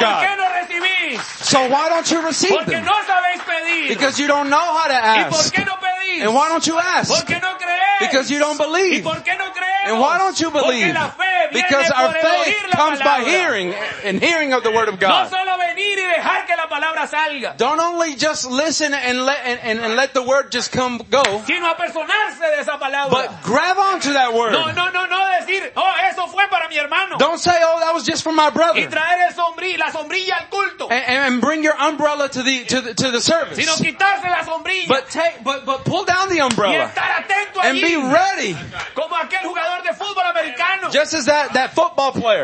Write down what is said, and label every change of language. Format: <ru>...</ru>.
<es>¿Por qué no recibís?</es> <en>So why don't you receive</en> <es>porque</es> <en>them?</en> <es>Porque no sabéis pedir.</es> <en>Because you don't know how to ask.</en> <es>¿Y por qué no pedís?</es> <en>And why don't you ask?</en> <es>Porque no crees.</es> <en>Because you don't believe.</en> <es>¿Y por qué no creemos?</es> <en>And why don't you believe?</en> <es>Porque la fe viene</es> <en>because</en> <es>por</es> <en>our faith</en> <es>oír la</es> <en>comes</en> <es>palabra.</es> <en>By hearing and hearing of the word of God.</en> <es>No solo venir y dejar que la palabra salga.</es> <en>Don't only just listen and let the word just come go.</en> <es>Sino apersonarse de esa palabra.</es> <en>But grab onto that word.</en> <es>No decir, oh, eso fue para mi hermano.</es> <en>Don't say, oh, that was just for my brother.</en> <es>Y traer el la sombrilla al culto.</es> <en>And bring your umbrella to the service.</en> <es>Sino quitarse la sombrilla.</es> <en>But pull down the umbrella.</en> <es>Y estar atento</es> <en>and</en> <es>allí.</es> <en>Be ready.</en> <es>Como aquel jugador de fútbol americano.</es> <en>Just as that football player.</en>